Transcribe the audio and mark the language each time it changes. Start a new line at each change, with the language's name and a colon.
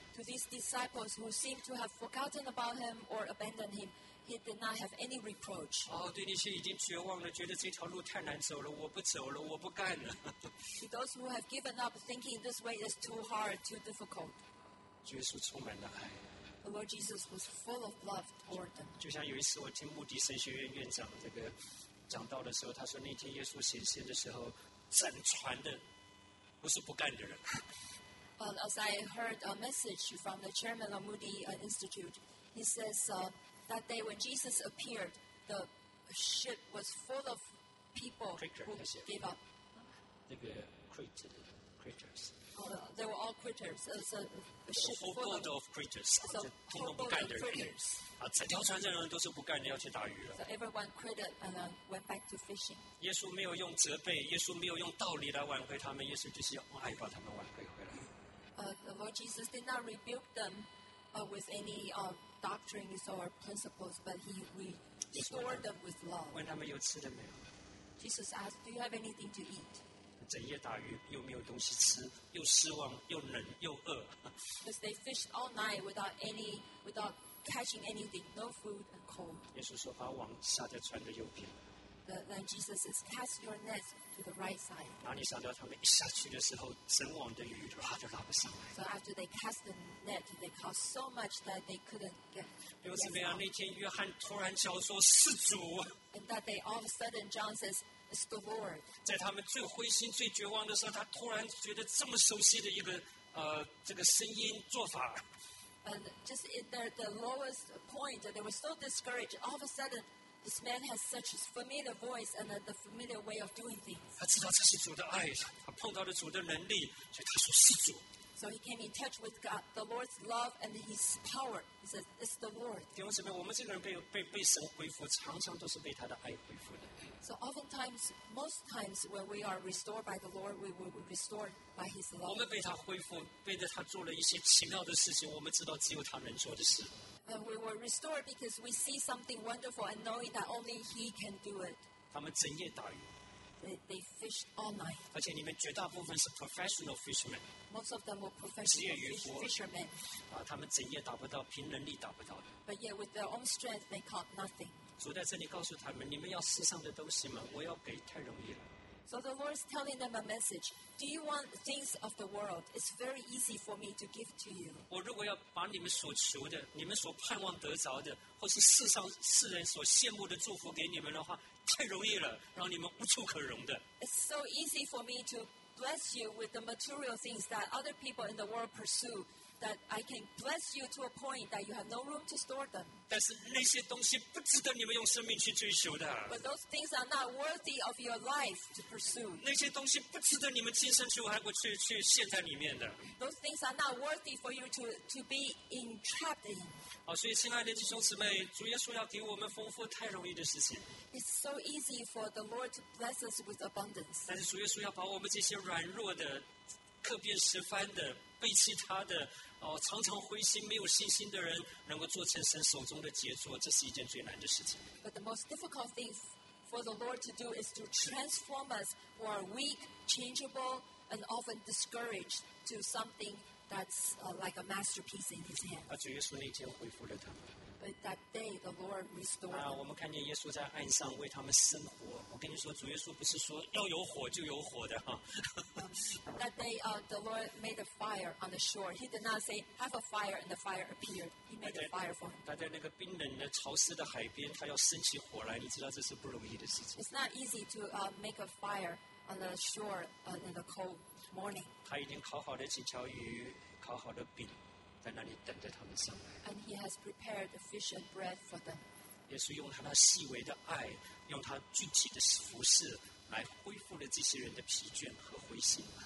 English: To these disciples who seem to have forgotten about him or abandoned him, he did not have any reproach.
Chinese: 哦，对那些已经绝望了，觉得这条路太难走了，我不走了，我不干了。
English: To those who have given up, thinking this way is too hard, too difficult.
Chinese: 耶稣充满了爱。
English: The Lord Jesus was full of love toward them.
Chinese: 就像有一次我听穆迪神学院院长这个讲道的时候，他说那天耶稣显现的时候，整船的。不是不干的人。
English: As I heard a message from the chairman of Moody Institute, he says that day when Jesus appeared, the ship was full of people Critter, who gave up. 那个 creatures. They were all creatures. It's a ship full of creatures. So,
Chinese: 通通不干的人。啊，整条船上的人都是不干的，要去打鱼了。
English: So everyone quit and went back to fishing.
Chinese: 耶稣没有用责备，耶稣没有用道理来挽回他们，耶稣就是用爱把他们挽回回来。
English: The Lord Jesus did not rebuke them, with any doctrines or principles, but he restored them with love.
Chinese: 问他们有吃的没有
English: ？Jesus asked, "Do you have anything to eat?"
Chinese: 整夜打鱼又没有东西吃，又失望又冷又饿。
English: Because they fished all night without catching anything, no food and cold.
Chinese: 耶稣说：“把网下在船的右边。”
English: Then Jesus says, "Cast your net to the right side."
Chinese: 哪里想到他们一下去的时候，整网的鱼拉都拉不上来。
English: So after they cast the net, they caught so much that they couldn't get.
Chinese: 又怎么样？那天约翰突然叫说：“是主。”
English: And that day, all of a sudden, John says, "It's the Lord."
Chinese: 在他们最灰心、最绝望的时候，他突然觉得这么熟悉的一个这个声音做法。
English: And just in the lowest point, they were so discouraged. All of a sudden, this man has such a familiar voice and the familiar way of doing things.
Chinese: 他知道这是主的爱，他碰到了主的能力，所以他说是主。
English: So he came in touch with God, the Lord's love and His power. He says, "It's the Lord."
Chinese: 弟兄姊妹，我们这个人被神恢复，常常都是被他的爱恢复的。
English: So oftentimes, most times when we are restored by the Lord, we will be restored by His love.
Chinese: 我们被他恢复，背着他做了一些奇妙的事情，我们知道只有他能做的事。
English: And we were restored because we see something wonderful and knowing that only He can do it.
Chinese: 他们整夜打鱼。
English: They fished all night.
Chinese: 而且里面绝大部分是
English: professional fishermen. Most of them were professional fishermen.
Chinese: 啊，他们整夜打不到，凭能力打不到的。
English: But yet, with their own strength, they caught nothing.
Chinese: 主在这里告诉他们，你们要世上的东西吗？我要给太容易了。
English: So the Lord is telling them a message. Do you want things of the world? It's very easy for me to give to you.
Chinese: 我如果要把你们所求的、你们所盼望得着的，或是世上世人所羡慕的祝福给你们的话，太容易了，让你们无处可容的。
English: It's so easy for me to bless you with the material things that other people in the world pursue, that I can bless you to a point that you have no room to store them.
Chinese: 但是那些东西不值得你们用生命去追求的。
English: But those things are not worthy of your life to pursue.
Chinese: 那些东西不值得你们今生去还过去去陷在里面的。
English: Those things are not worthy for you to be entrapped in.
Chinese: 好，所以亲爱的弟兄姊妹，主耶稣要给我们丰富，太容易的事情。
English: It's so easy for the Lord to bless us with abundance.
Chinese: 但是主耶稣要把我们这些软弱的、客变十番的、背弃他的、常常灰心、没有信心的人，能够做成神手中的杰作，这是一件最难的事情。
English: But the most difficult thing for the Lord to do is to transform us who are weak, changeable, and often discouraged to something that's like a masterpiece in His hand.
Chinese: 主耶稣那天恢复了他们。
English: But that day, the Lord restored.
Chinese: 我们看见耶稣在岸上为他们生火。我跟你说，主耶稣不是说要有火就有火的哈。
English: That day, the Lord made a fire on the shore. He did not say have a fire and the fire appeared. He made a fire for him.
Chinese: 他在那个冰冷的潮湿的海边，他要生起火来，你知道这是不容易的事情。
English: It's not easy to make a fire on the shore in the cold morning.
Chinese: 他已经烤好了几条鱼，烤好了饼。在那里等着他们上来。
English: And he has prepared the fish and bread for them.
Chinese: 耶稣用他那细微的爱，用他具体的服事，来恢复了这些人的疲倦和灰心。